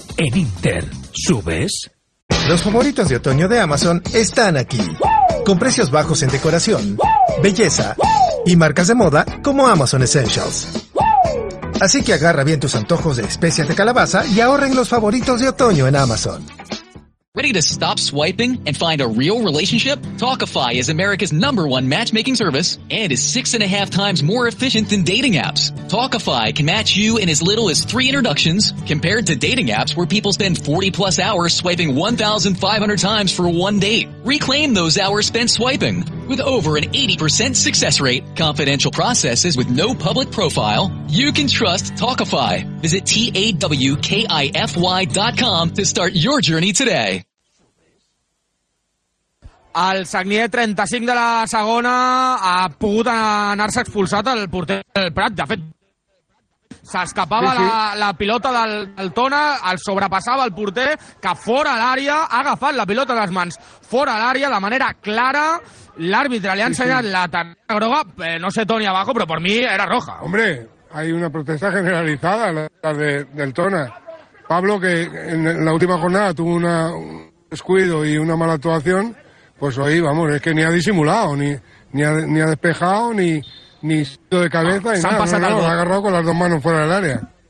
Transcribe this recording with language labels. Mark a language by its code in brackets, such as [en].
[es] En Inter, ¿subes? Los favoritos de otoño de Amazon están aquí. Con precios bajos en decoración, belleza y marcas de moda como Amazon Essentials. Así que agarra bien tus antojos de especias de calabaza y ahorren los favoritos de otoño en Amazon. [en] Ready to stop swiping and find a real relationship? Talkify is America's number one matchmaking service and is 6.5 times more efficient than dating apps. Talkify can match you in as little as 3 introductions compared to dating apps where people spend 40 plus hours swiping 1,500 times for one date. Reclaim those hours spent swiping. With over an 80% success rate, confidential processes with no public profile, you can trust Talkify. Visit TAWKIFY.com to start your journey today. [ca] El Sagnier, 35 de la segona, ha pogut anar-se expulsat el porter del Prat. De fet, s'escapava la pilota del Tona, el sobrepassava el porter, que fora l'àrea ha agafat la pilota de les mans. Fora l'àrea, de manera clara, l'àrbitre li ha ensenyat la tarjeta groga. No sé, Toni, abajo, però per mi era roja. [es] Hombre, hay una protesta generalizada, la del Tona. Pablo, que en la última jornada tuvo un descuido y una mala actuación, pues hoy, vamos, es que ni ha disimulado, ni ha despejado, ni sido de cabeza, ni nada. No, ha agarrado con las dos manos fuera del área.